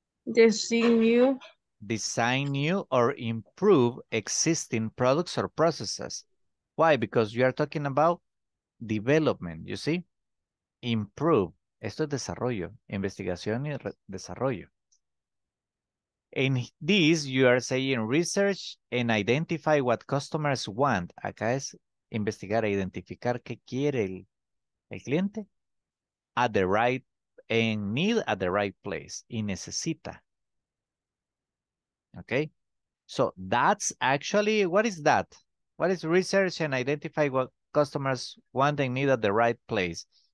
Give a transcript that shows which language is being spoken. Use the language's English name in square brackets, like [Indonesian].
[English] design new or improve existing products or processes. Why? Because you are talking about development, you see? Improve. [Spanish] Esto es desarrollo, investigación y desarrollo. [English] In this, you are saying research and identify what customers want. [Spanish] Acá es investigar, identificar qué quiere el cliente. [English] At the right, in need, at the right place. [Spanish] Y necesita. [English] Okay? So that's actually, what is that? What is research and identify what customers want and need at the right place?